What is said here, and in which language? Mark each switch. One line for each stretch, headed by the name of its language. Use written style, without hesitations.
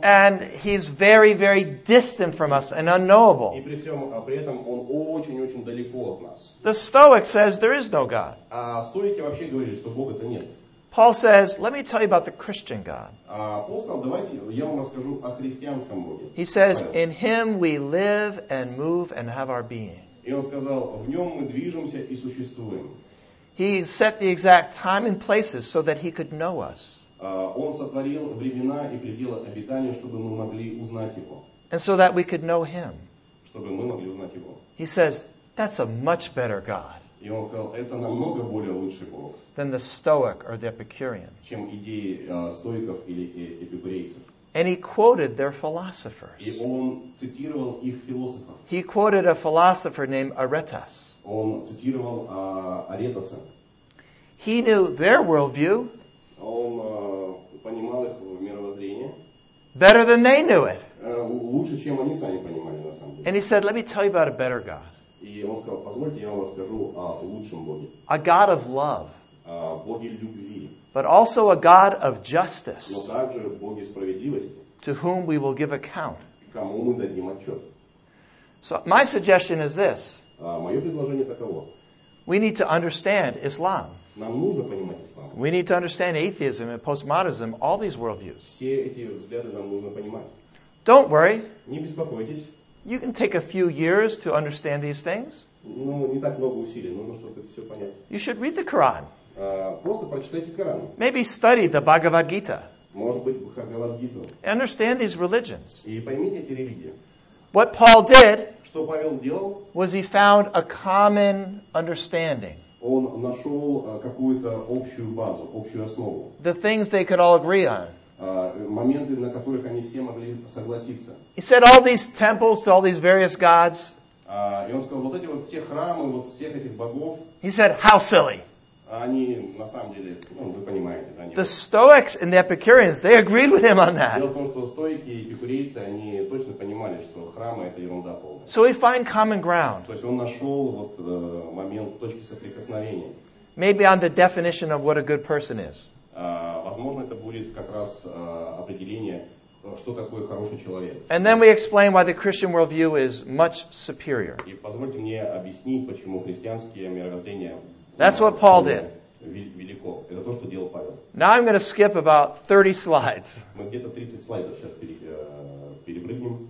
English: And he's very, very distant from us and unknowable.
Russian: И при этом он очень-очень далеко от нас.
English: The Stoic says there is no God.
Russian: А стоики вообще говорили, что Бога-то нет.
English: Paul says, let me tell you about the Christian God.
Russian: Paul сказал, давайте я вам расскажу о христианском Боге.
English: He says, Павел. In him we live and move and have our being.
Russian: И он сказал, в нем мы движемся и существуем.
English: He set the exact time and places so that he could know us.
Russian: Он сотворил времена и пределы обитания, чтобы мы могли узнать его.
English: And so that we could know him.
Russian: Чтобы мы могли узнать его.
English: He says, that's a much better God.
Russian: И он сказал, это намного более лучший Бог.
English: Than the Stoic or the Epicurean.
Russian: Чем идеи стоиков или эпикурейцев.
English: And he quoted their philosophers.
Russian: И он цитировал их философов.
English: He quoted a philosopher named Aretas.
Russian: Он цитировал Аретаса.
English: He knew their worldview.
Russian: Он понимал их мировоззрение.
English: Better than they knew it.
Russian: Лучше, чем они сами понимали, на самом деле.
English: And he said, let me tell you about a better God.
Russian: И он сказал: "Позвольте, я вам расскажу о лучшем Боге.
English: A God of love.
Russian: Боге любви.
English: But also a God of justice.
Russian: Но также Боге справедливости.
English: To whom we will give account.
Russian: Кому мы дадим отчет.
English: So my suggestion is this.
Russian: Мое предложение таково.
English: We need to understand Islam.
Russian: Нам нужно понимать ислам.
English: We need to understand atheism and postmodernism, all these worldviews.
Russian: Все эти взгляды нам нужно понимать.
English: Don't worry.
Russian: Не беспокойтесь.
English: You can take a few years to understand these things.
Russian: Ну, не так много усилий. Нужно, чтобы это все понять.
English: You should read the Quran.
Russian: Просто прочитайте Коран.
English: Maybe study the Bhagavad Gita.
Russian: Может быть, Бхагавад Гиту.
English: Understand these religions.
Russian: И поймите эти религии.
English: What Paul did,
Russian: что Павел делал,
English: was he found a common understanding.
Russian: Он нашел какую-то общую базу, общую основу.
English: The things they could all agree on.
Russian: Моменты, на которых они все могли согласиться.
English: He said all these temples to all these various gods.
Russian: И он сказал, вот эти вот все храмы, вот всех этих богов.
English: He said, how silly.
Russian: Они на самом деле, ну, вы понимаете.
English: The Stoics and the Epicureans, they agreed with him on that.
Russian: Дело в том, что стоики и эпикурейцы, они точно понимали, что храмы это ерунда полная.
English: So we find common ground.
Russian: То есть он нашел вот момент точки соприкосновения.
English: Maybe on the definition of what a good person is.
Russian: Возможно, это будет как раз определение, что такое хороший человек.
English: And then we explain why the Christian worldview is much superior.
Russian: И позвольте мне объяснить, почему христианские мировоззрения.
English: That's what Paul did.
Russian: Велико. Это то, что делал Павел.
English: Now I'm going to skip about 30 slides.
Russian: Мы где-то 30 слайдов сейчас перепрыгнем.